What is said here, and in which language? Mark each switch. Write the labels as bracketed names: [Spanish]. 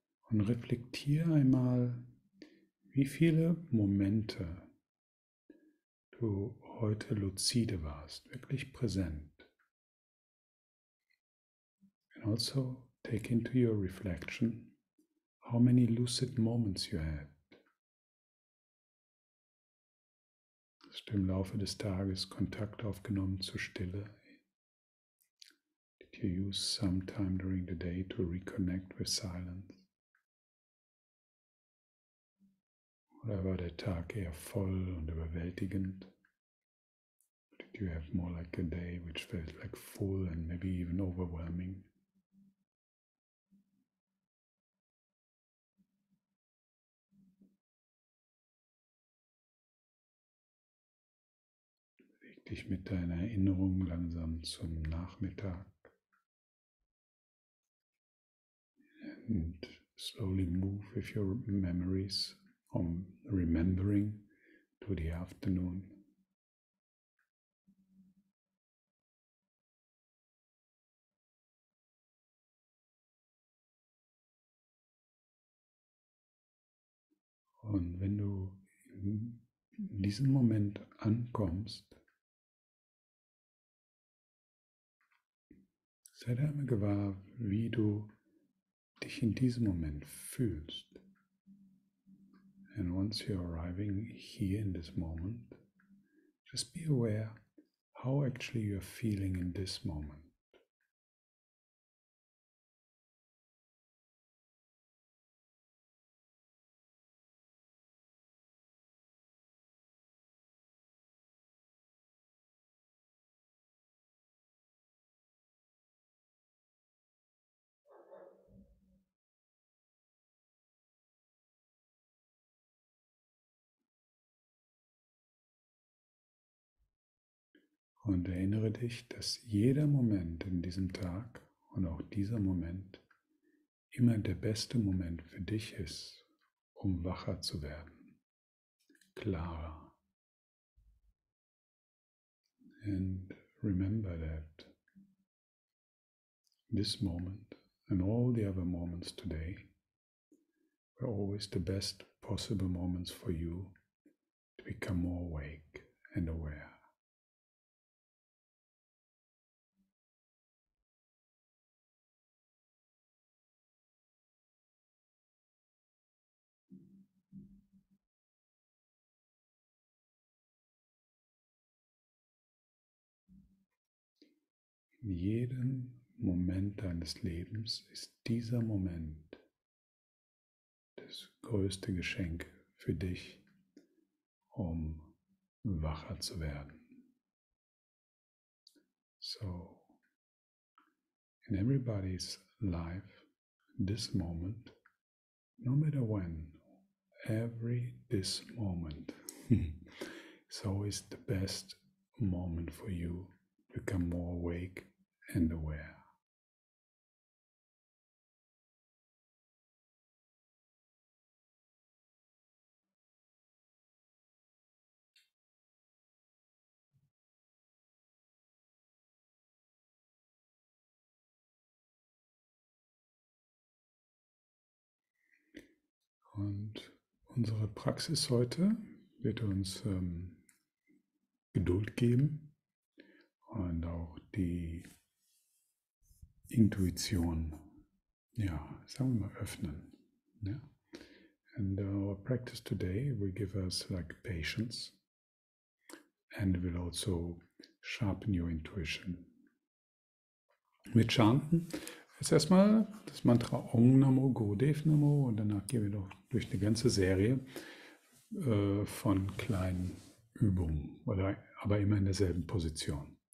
[German] Und reflektiere einmal, wie viele Momente du heute luzide warst, wirklich präsent. [English] And also take into your reflection how many lucid moments you had. [German] Hast du im Laufe des Tages Kontakt aufgenommen zur Stille? [English] Did you use some time during the day to reconnect with silence? [German] Oder war der Tag eher voll und überwältigend? [English] Did you have more like a day which felt like full and maybe even overwhelming? [German] Beweg dich mit deiner Erinnerung langsam zum Nachmittag. [English] And slowly move with your memories on remembering to the afternoon. [German] Und wenn du in diesem Moment ankommst, sei dir einmal gewahr, wie du dich in diesem Moment fühlst. [English] And once you're arriving here in this moment, just be aware how actually you're feeling in this moment. [German] Und erinnere dich, dass jeder Moment in diesem Tag und auch dieser Moment immer der beste Moment für dich ist, um wacher zu werden, klarer. [English] And remember that this moment and all the other moments today were always the best possible moments for you to become more awake and aware. [German] In jedem Moment deines Lebens ist dieser Moment das größte Geschenk für dich, um wacher zu werden. [English] So, in everybody's life, this moment, no matter when, every this moment is always the best moment for you to become more awake and aware. [German] Und unsere Praxis heute wird uns Geduld geben und auch die Intuition, ja, sagen wir mal, öffnen. Ja? [English] And our practice today will give us like patience and will also sharpen your intuition. [German] Mit Chanten jetzt erstmal das Mantra Om Namo Gurudev Namo und danach gehen wir noch durch eine ganze Serie von kleinen Übungen, oder, aber immer in derselben Position.